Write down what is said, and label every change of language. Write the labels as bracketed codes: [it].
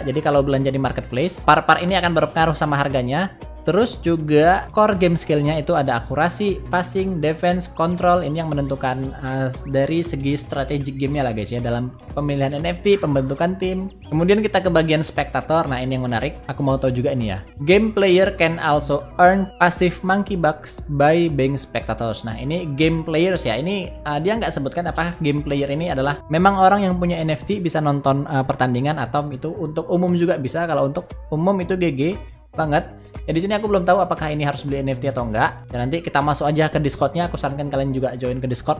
[id] Jadi kalau belanja di marketplace, part-part ini akan berpengaruh sama harganya. Terus juga core game skill-nya itu ada akurasi, passing, defense, control. Ini yang menentukan dari segi strategic game-nya lah guys ya, dalam pemilihan NFT, pembentukan tim. Kemudian kita ke bagian spectator. Nah, ini yang menarik, aku mau tahu juga ini ya. [en] Game player can also earn passive monkey bucks by being spectators. [id] Nah, ini game players ya. Ini dia nggak sebutkan apakah game player ini adalah memang orang yang punya NFT bisa nonton pertandingan, atau itu untuk umum juga bisa. Kalau untuk umum itu GG banget. Ya, di sini aku belum tahu apakah ini harus beli NFT atau enggak. Ya, nanti kita masuk aja ke Discord-nya. Aku sarankan kalian juga join ke Discord.